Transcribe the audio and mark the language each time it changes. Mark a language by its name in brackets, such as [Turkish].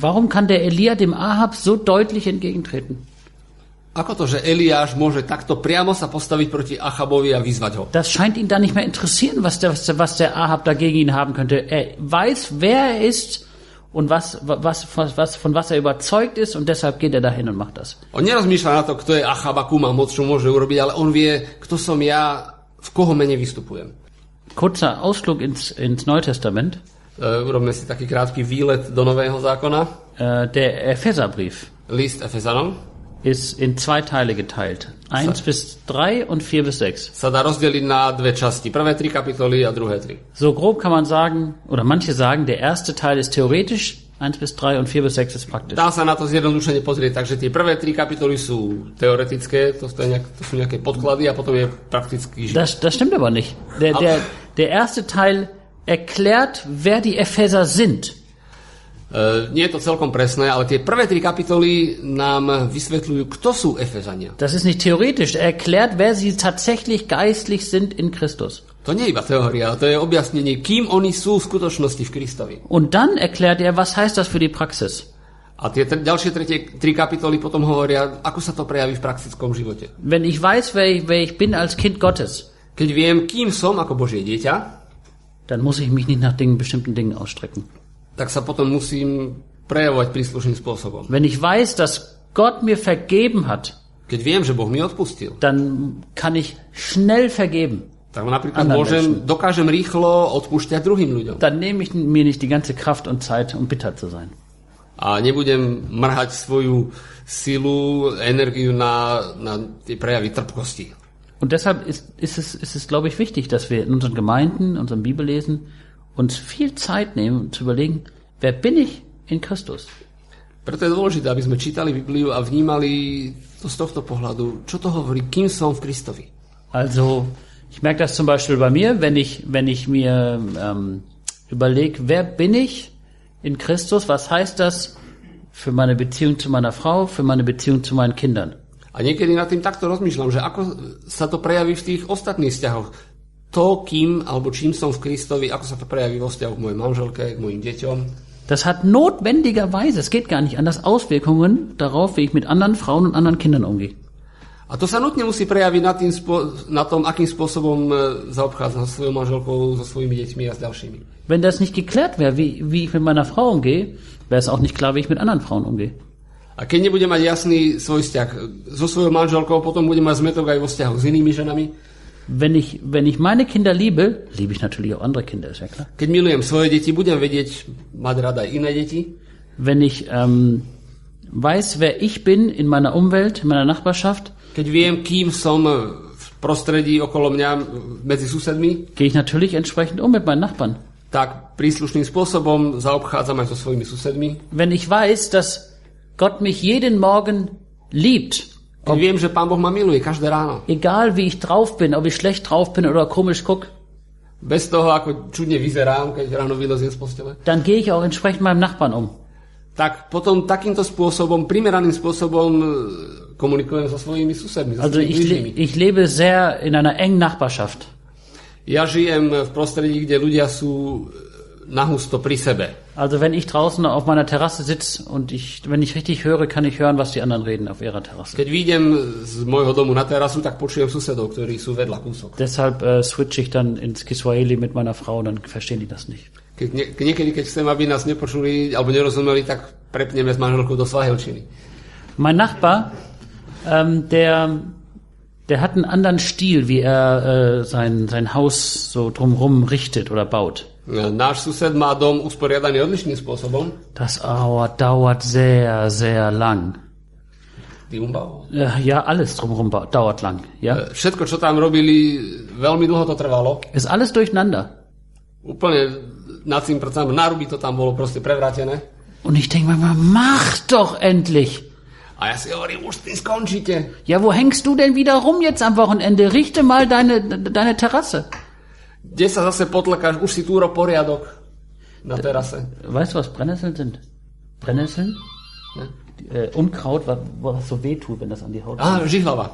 [German] Warum kann der Elia dem Ahab so deutlich entgegentreten? [Slovak] Ako to, že Eliáš môže takto priamo sa postaviť proti Achabovi a vyzvať ho? [German] Das scheint ihn da nicht mehr interessieren, was der Ahab dagegen ihn haben könnte. Er weiß, wer er ist und was von was er überzeugt ist und deshalb geht er dahin und macht das. [Slovak] On nerozmýšľa na to, kto je Achab, akú má moc, čo môže urobiť, ale on vie, kto som ja, v koho mene vystupujem. [German] Kurzer Ausflug ins Neue Testament. [Slovak] Urobme si taký krátky výlet do Nového zákona. [German] Der Epheserbrief. [Slovak] List Efezanom. [German] Ist in zwei Teile geteilt. 1 bis 3 und 4 bis 6. [Slovak] Sa dá rozdeliť na dve časti. Prvé tri kapitoly a druhé tri. [German] So grob kann man sagen, oder manche sagen, der erste Teil ist theoretisch, 1 bis 3 und 4 bis 6 ist praktisch. [Slovak] Dá sa na to zjednodušene pozrieť. Takže tie prvé tri kapitoly sú teoretické, to sú nejaké podklady a potom je praktický život. [German] Das stimmt aber nicht. Der erste Teil erklärt, wer die Epheser sind. [Slovak] Nie je to celkom presné, ale tie prvé tri kapitoly nám vysvetľujú, kto sú Efezania. [German] Das ist nicht theoretisch, erklärt, wer sie tatsächlich geistlich sind in Christus. [Slovak] To nie je iba teória, to je objasnenie, kým oni sú v skutočnosti v Kristovi. [German] Und dann erklärt er, was heißt das für die Praxis. [Slovak] A tie ďalšie tri kapitoly potom hovoria, ako sa to prejaví v praktickom živote. [German] Wenn ich weiß, wer ich bin als Kind Gottes. [Slovak] Keď viem, kým som ako Božie dieťa, [German] dann muss ich mich nicht nach bestimmten Dingen ausstrecken. [Slovak] Tak sa potom musím prejavovať príslušným spôsobom. [German] Wenn ich weiß, dass Gott mir vergeben hat. [Slovak] Keď viem, že Boh mi odpustil. [German] Dann kann ich schnell vergeben. [Slovak] Tak napríklad dokážem rýchlo odpúšťať druhým ľuďom. [German] Dann nehme ich mir nicht die ganze Kraft und Zeit, um bitter zu sein. [Slovak] A nebudem mrhať svoju silu, energiu na tie prejavy trpkosti. [German] Und deshalb ist es glaube ich wichtig, dass wir in unseren Gemeinden, in unserem Bibellesen uns viel Zeit nehmen zu überlegen, wer bin ich in Christus? [Slovak] Preto je dôležité, aby sme čítali Bibliu a vnímali to z tohto pohľadu, čo to hovorí, kým som v Kristovi. [German] Also, ich merke das zum Beispiel bei mir, wenn ich mir überleg, wer bin ich in Christus, was heißt das für meine Beziehung zu meiner Frau, für meine Beziehung zu meinen Kindern? [Slovak] A niekedy nad tým takto rozmýšľam, že ako sa to prejaví v tých ostatných vzťahoch. To, kým alebo čím som v Kristovi, ako sa to prejaví vo vzťahu k mojej manželke, k mojim deťom. [German] Das hat notwendigerweise, es geht gar nicht anders, Auswirkungen darauf, wie ich mit anderen Frauen und anderen Kindern umgehe. [Slovak] A to sa nutne musí prejaviť na tom, akým spôsobom zaobchádzam so svojou manželkou, so svojimi deťmi a s ďalšími. [German] Wenn das nicht geklärt wäre, wie ich mit meiner Frau umgehe, wäre es auch nicht klar, wie ich mit anderen Frauen umgehe. [Slovak] A keď nebudem mať jasný svoj vzťah so svojou manželkou, potom budem mať zmetok aj vo vzťahu s inými ženami. [German] Wenn ich meine Kinder liebe ich natürlich auch andere Kinder, ist ja klar. [Slovak] Keď milujem svoje deti, budem vedieť mať rada aj iné deti. [German] Wenn ich weiß, wer ich bin in meiner Umwelt, in meiner Nachbarschaft. [Slovak] Keď viem, kým som v prostredí okolo mňa medzi susedmi. [German] Gehe ich natürlich entsprechend mit meinen Nachbarn. [Slovak] Tak príslušným spôsobom zaobchádzam aj so svojimi susedmi. [German] Wenn ich weiß, dass Gott mich jeden Morgen liebt. [Slovak] Ob, viem, že Pán Boh ma miluje každé ráno. [German] Egal wie ich drauf bin, ob ich schlecht drauf bin oder komisch guck. [Slovak] Bez toho, ako čudne vyzerám, keď ráno vylezím z postele. [German] Dann gehe ich auch entsprechend meinem Nachbarn [Slovak] Tak potom takýmto spôsobom, primeraným spôsobom komunikujem so svojimi susedmi, so svojimi blížnymi. [German] Ich lebe sehr in einer engen Nachbarschaft. [Slovak] Ja žijem v prostredí, kde ľudia sú nahusto pri sebe. [German] Also wenn ich draußen auf meiner Terrasse sitze und wenn ich richtig höre, kann ich hören, was die anderen reden auf ihrer Terrasse. [Slovak] Keď vyjdem z môjho domu na terasu, tak počujem susedov, ktorí sú vedľa kúsok. [German] Deshalb switch ich dann ins Kiswahili mit meiner Frau, dann verstehen die das nicht. [Slovak] Keď chcem, aby nás nepočuli alebo nerozumeli, tak prepneme s manželkou do svahilčiny. [German] Mein Nachbar, der hat einen anderen Stil, wie er sein Haus so drumherum richtet oder baut. [Slovak] Náš sused má dom usporiadaný odlišným spôsobom. [German] Das dauert sehr, sehr lang. Die Umbau. Ja, alles drumherum dauert lang. Ja? [Slovak] Všetko, čo tam robili, veľmi dlho to trvalo. [German] Ist alles durcheinander. [Slovak] Úplne nad tým pracujem. Nárubí to tam bolo proste prevrátené. [German] Und ich denke mir, mach doch endlich. [Slovak] A ja si hovorím, už ty skončite. [German] Ja, wo hängst du denn wieder rum jetzt am Wochenende? Richte mal deine Terrasse. [Slovak] Kde sa zase potlkáš? Už si túro poriadok na terase. [German] Weißt du, was Brennnesseln sind? Brennnesseln? Ja. Unkraut, was so weh tut, wenn das an die Haut kommt. [Slovak] Žihlava.